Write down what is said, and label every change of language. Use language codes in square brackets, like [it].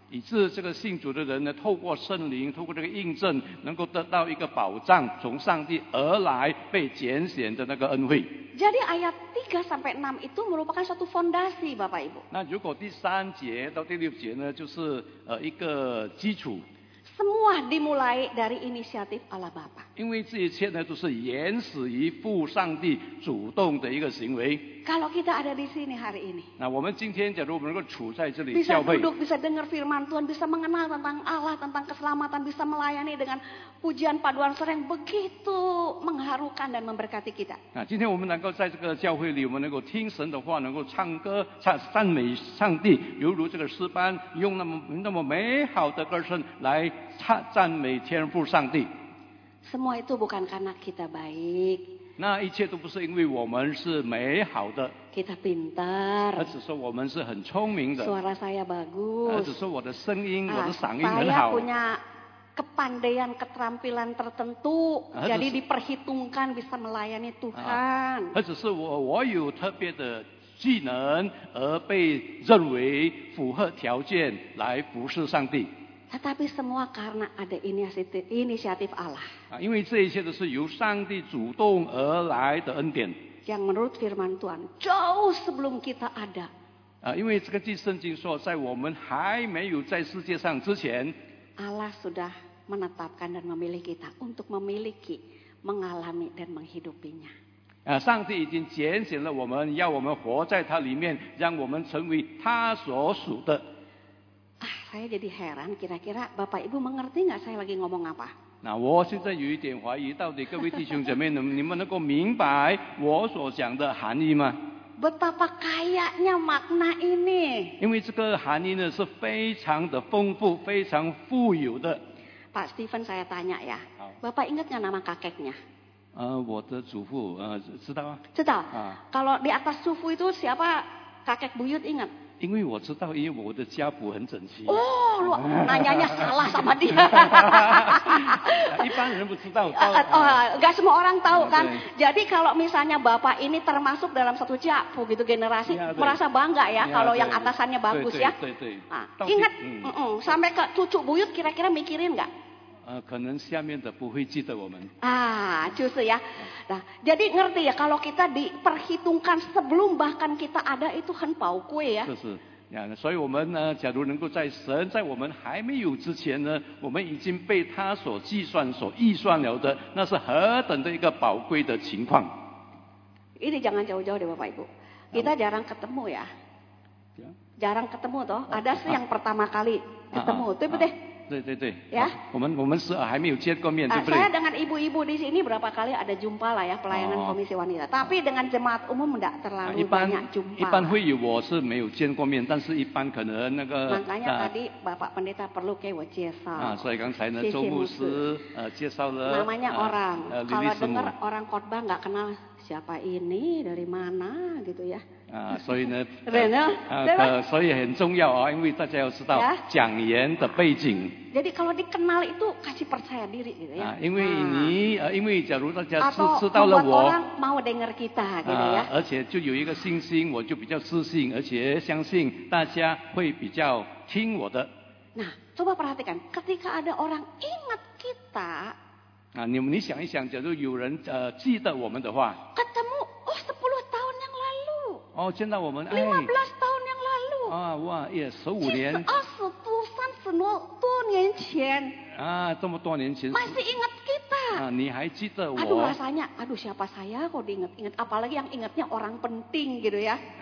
[zh] 以致这个信主的人呢，透过圣灵，透过这个印证，能够得到一个保障，从上帝而来被拣选的那个恩惠。 [id] Jadi ayat 3-6 itu merupakan satu fondasi, Bapak Ibu. [zh] 那如果第三节到第六节呢，就是一个基础。 [id] Semua dimulai dari inisiatif Allah Bapa. [zh] 因为这一切呢，都是原始于父上帝主动的一个行为。 [id] Kalau kita ada di sini hari ini. [zh] 那我们今天假如我们能够处在这里教会。 [id] Bisa duduk, bisa dengar firman Tuhan, bisa mengenal tentang Allah, tentang keselamatan, bisa melayani dengan pujian paduan suara yang begitu mengharukan dan memberkati kita. [zh] 那今天我们能够在这个教会里，我们能够听神的话，能够唱歌、赞美上帝，犹如这个诗班用那么美好的歌声来赞美天父上帝。 [id] Semua itu bukan karena kita baik。 [zh] 那一切都不是因为我们是美好的。 [id] Kita pintar。 [zh] 而只说我们是很聪明的。 [id] Suara saya bagus。 [zh] 而只说我的声音，我的嗓音很好。 [id] Saya punya kepandaian, keterampilan tertentu, jadi diperhitungkan bisa melayani Tuhan。 [zh] 而只是我有特别的技能，而被认为符合条件来服侍上帝。 [id] Tetapi semua karena ada inisiatif Allah. [zh] 因为这一切都是由上帝主动而来的恩典。 [id] Yang menurut firman Tuhan, jauh sebelum kita ada, [zh] 因为这个句圣经说，在我们还没有在世界上之前， [id] Allah sudah menetapkan dan memilih kita untuk memiliki, mengalami dan menghidupinya. [zh] 上帝已经拣选了我们，要我们活在他里面，让我们成为他所属的。 [id] Saya jadi heran, kira-kira Bapak Ibu mengerti nggak saya lagi ngomong apa? [zh] 那我现在有一点怀疑，到底各位弟兄姐妹能你们能够明白我所讲的含义吗？ [id] Betapa kayanya makna ini. [zh] 因为这个含义呢是非常的丰富，非常富有的。 [id] Pak Stephen, saya tanya ya. Bapak ingat nggak nama kakeknya? [zh] 我的祖父，知道啊。知道。 [id] Kalau di atas 祖父 itu siapa kakek Buyut ingat? [zh] 因为我知道，因为我的家谱很整齐。哦，我那人家傻了，什么的。一般人不知道。 [id] Gak semua orang tahu kan. Jadi kalau misalnya bapak ini termasuk dalam satu jabu gitu generasi, merasa bangga ya kalau yang atasannya bagus ya. Ingat, sampai ke cucu buyut kira-kira mikirin nggak? [zh] 可能下面的不会记得我们。就是呀。 [id] Nah, jadi ngerti ya, kalau kita diperhitungkan sebelum bahkan kita ada itu kan pau kue ya. [zh] 就是呀，所以我们呢，假如能够在神在我们还没有之前呢，我们已经被他所计算、所预算了的，那是何等的一个宝贵的情况。 [id] Ini jangan jauh-jauh deh, Bapak Ibu. Kita jarang ketemu ya. Jarang ketemu toh. Ada sih yang pertama kali ketemu, betul? [zh] 对对对，呀、yeah. ，我们是还没有见过面，对不对？ [id] saya dengan ibu-ibu di sini berapa kali ada jumpa lah ya pelayanan komisi wanita, tapi dengan jemaat umum tidak terlalu banyak jumpa. [zh] 一般会有，我是没有见过面，但是一般可能那个。 [id] makanya tadi bapak pendeta perlu [zh] 给我介绍。所以刚才呢，周牧师介绍了。 [id] namanya orang, kalau dengar orang khotbah nggak kenal siapa ini dari mana gitu ya。 [zh] 所以呢，所以很重要啊，因为大家要知道讲言的背景。 [id] Jadi kalau dikenal itu kasih percaya diri gitu ya. [zh] 因为你，因为假如大家知道了我， [id] atau buat orang mau dengar kita gitu ya. [zh] 而且就有一个信心，我就比较自信，而且相信大家会比较听我的。 [id] Nah, coba perhatikan, ketika ada orang ingat kita. [zh] 你想一想，假如有人记得我们的话。 [id] Ketemu, oh, 10tahun yang lalu. [zh] 哦，见到我们。 [id] 15 tahun yang lalu. [zh] 哇，也15年。 20多年前这么多年前 [id] masih ingat kita [zh] 你还记得我 [id] aduh rasanya aduh siapa saya kok diingat-ingat apalagi yang ingatnya orang penting gitu ya